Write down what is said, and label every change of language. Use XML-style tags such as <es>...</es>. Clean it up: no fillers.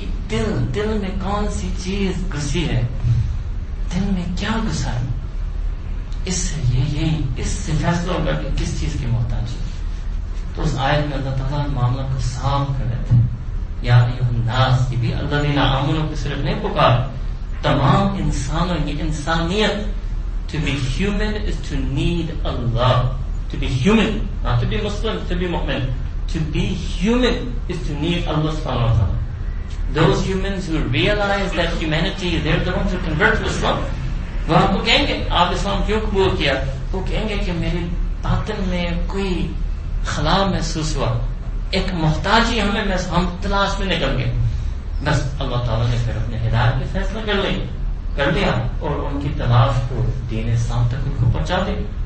<ur>دل دل میں کون سی چیز گھسی ہے، دل میں کیا گھسا ہے، اس سے یہی اس سے فیصلہ ہوگا کہ کس چیز کی محتاج ہے. تو اس آیت میں اللہ تعالیٰ معاملہ کو صاف کر دیتے ہیں، یا ایہ الناس کی بھی اللہ دینا عاملوں کو صرف نہیں پکار، تمام انسانوں کی انسانیت.</ur> <en>To be human is to need Allah. To be human, not to be Muslim, to be mu'min. To be human is to need Allah subhanahu wa ta'ala. Those humans who realize that humanity, they're the ones who convert to Islam.</en> <ur>وہ آپ کو کہیں گے آپ اسلام کیوں قبول کیا، وہ کہیں گے کہ میرے باطن میں کوئی خلا محسوس ہوا، ایک محتاجی ہمیں ہم تلاش میں نکل گئے، بس اللہ تعالیٰ نے پھر اپنے ہدایت کے فیصلہ کر لیا اور ان کی تلاش کو دین اسلام تک ان کو پہنچا دیا.</ur>